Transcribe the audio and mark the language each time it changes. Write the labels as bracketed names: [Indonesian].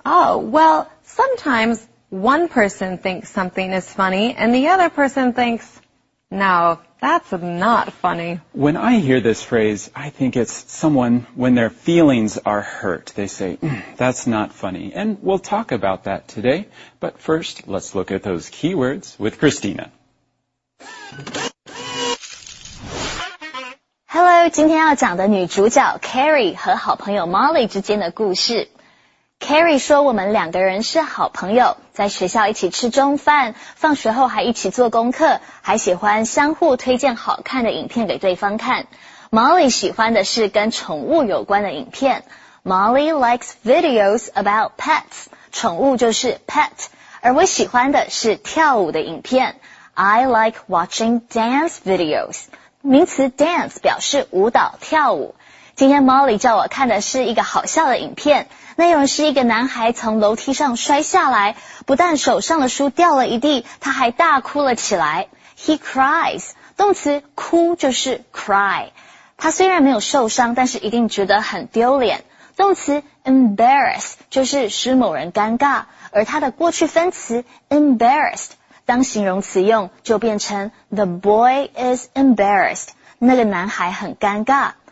[English] Oh, well, sometimes one person thinks something is funny, and the other person thinks, no, that's not funny. When I hear this phrase, I think it's someone, when their feelings are hurt, they say, that's not funny. And we'll talk about that today. But first, let's look at those keywords with Christina. Hello, [Chinese] 今天要讲的女主角 Carrie 和好朋友 Molly 之间的故事。 Carrie 说我们两个人是好朋友，在学校一起吃中饭，放学后还一起做功课，还喜欢相互推荐好看的影片给对方看。 Molly 喜欢的是跟宠物有关的影片。 [English] Molly likes videos about pets, [Chinese] 宠物就是 pet, 而我喜欢的是跳舞的影片。 [English] I like watching dance videos, [Chinese] 名词 dance 表示舞蹈跳舞。今天 Molly 叫我看的是一个好笑的影片，内容是一个男孩从楼梯上摔下来，不但手上的书掉了一地，他还大哭了起来。 [English] He cries, [Chinese] 动词哭就是 cry。他虽然没有受伤，但是一定觉得很丢脸。动词 embarrass 就是使某人尴尬，而他的过去分词 embarrassed 当形容词用，就变成 [English] the boy is embarrassed, [Chinese] 那个男孩很尴尬。